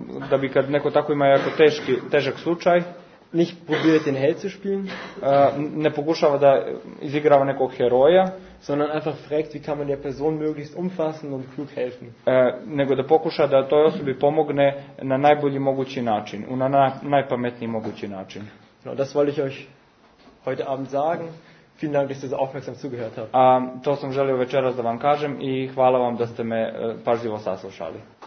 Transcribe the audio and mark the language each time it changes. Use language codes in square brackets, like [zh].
[sr] da bi kad neko tako ima jako težak slučaj, [de] nicht probiert den Held zu spielen, [sr] ne pokušava da izigrava nekog heroja, [de] sondern einfach fragt, wie kann man der Person möglichst umfassend und klug helfen. [sr] Nego da pokuša da toj osobi pomogne na najbolji mogući način, na najpametniji mogući način. [de] No, das wollte ich euch heute Abend sagen. Vielen Dank, dass ihr so aufmerksam zugehört habt. [sr] To sam želio večeras da vam kažem i hvala vam da ste me pažljivo saslušali.